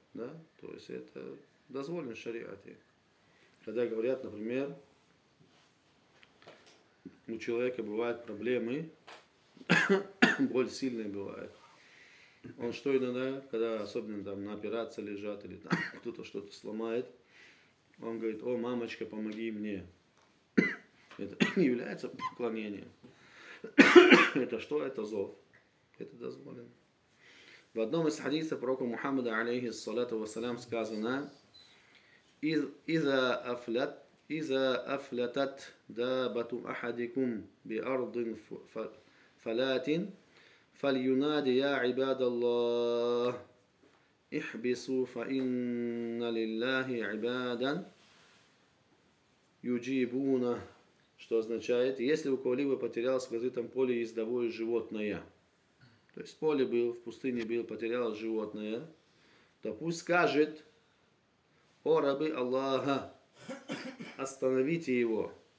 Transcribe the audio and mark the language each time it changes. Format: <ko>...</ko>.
<ru>Да, то есть это дозволено в шариате. Когда говорят, например, у человека бывают проблемы, боль сильная бывает. Он что иногда, когда особенно там на операции лежат или там кто-то что-то сломает, он говорит: «О, мамочка, помоги мне». Это не является поклонением. Это что? Это зов. Это дозволено. В одном из хадисов пророка Мухаммада, алейхиссалату вассалям, сказано:</ru> <ar>إذا أفلتت دابة أحدكم بأرض فلات فلينادي يا عباد الله احبسوا فإن لله عبادا يجيبون.</ar> <ru>Что означает, если у кого-либо потерялось в открытом поле ездовое животное, то есть поле был, в пустыне был, потерял животное, то пусть скажет: «О, рабы Аллаха, остановите его!</ru>